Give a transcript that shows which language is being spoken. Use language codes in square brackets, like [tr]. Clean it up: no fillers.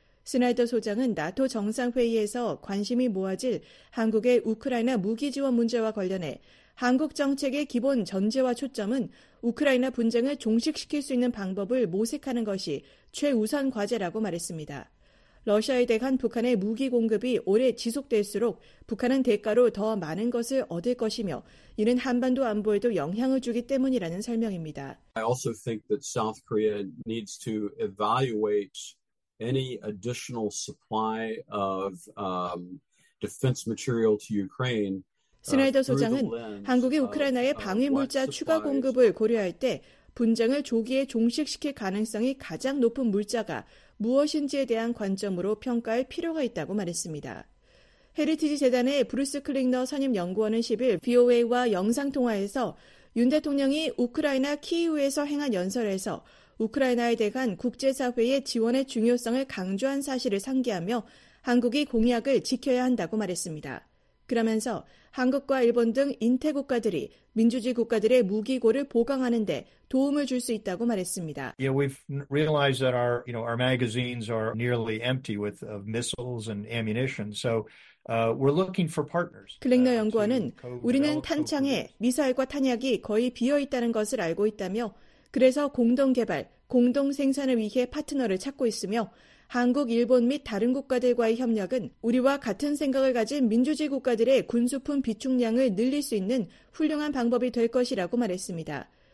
[ko] 스나이더 소장은 나토 정상회의에서 관심이 모아질 한국의 우크라이나 무기 지원 문제와 관련해 한국 정책의 기본 전제와 초점은 우크라이나 분쟁을 종식시킬 수 있는 방법을 모색하는 것이 최우선 과제라고 말했습니다. 러시아에 대한 북한의 무기 공급이 오래 지속될수록 북한은 대가로 더 많은 것을 얻을 것이며 이는 한반도 안보에도 영향을 주기 때문이라는 설명입니다. [en] I also think that South Korea needs to evaluate any additional supply of defense material to Ukraine. [ko] 스나이더 소장은 한국이 우크라이나의 방위물자 추가 공급을 고려할 때 분쟁을 조기에 종식시킬 가능성이 가장 높은 물자가 무엇인지에 대한 관점으로 평가할 필요가 있다고 말했습니다. 헤리티지 재단의 브루스 클링너 선임 연구원은 10일 VOA와 영상통화에서 윤 대통령이 우크라이나 키이우에서 행한 연설에서 우크라이나에 대한 국제사회의 지원의 중요성을 강조한 사실을 상기하며 한국이 공약을 지켜야 한다고 말했습니다. 그러면서 한국과 일본 등 인태 국가들이 민주주의 국가들의 무기고를 보강하는 데 도움을 줄 수 있다고 말했습니다. [en] Yeah, we've realized that our, you know, our magazines are nearly empty with missiles and ammunition. So We're looking for partners. [ko] 클릭너 연구원은 우리는 탄창에 미사일과 탄약이 거의 비어 있다는 것을 알고 있다며 그래서 공동 개발, 공동 생산을 위해 파트너를 찾고 있으며 한국, 일본 및 다른 국가들과의 협력은 우리와 같은 생각을 가진 민주주의 국가들의 군수품 비축량을 늘릴 수 있는 훌륭한 방법이 될 것이라고 말했습니다.